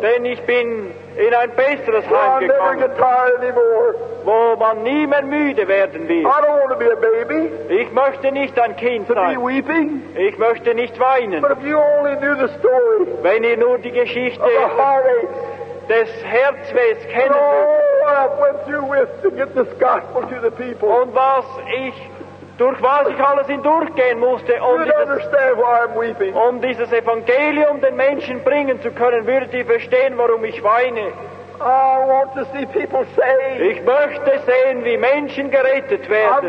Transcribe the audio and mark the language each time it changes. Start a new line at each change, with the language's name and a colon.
German: Denn ich bin in ein besseres Heim gekommen.
English: Never get tired anymore.
German: Wo man nie mehr müde werden wird.
English: I don't want to be a baby.
German: Ich möchte nicht ein Kind sein.
English: To be weeping.
German: Ich möchte nicht weinen.
English: But if you only knew the story.
German: Wenn ihr nur die Geschichte des Herzwehs kennen würdet.
English: Oh, I went through with to get this gospel to the people.
German: Und was ich durch was ich alles hindurchgehen musste, um dieses Evangelium den Menschen bringen zu können, würdet ihr verstehen, warum ich weine.
English: I want to see people saved.
German: Ich möchte sehen, wie Menschen gerettet werden.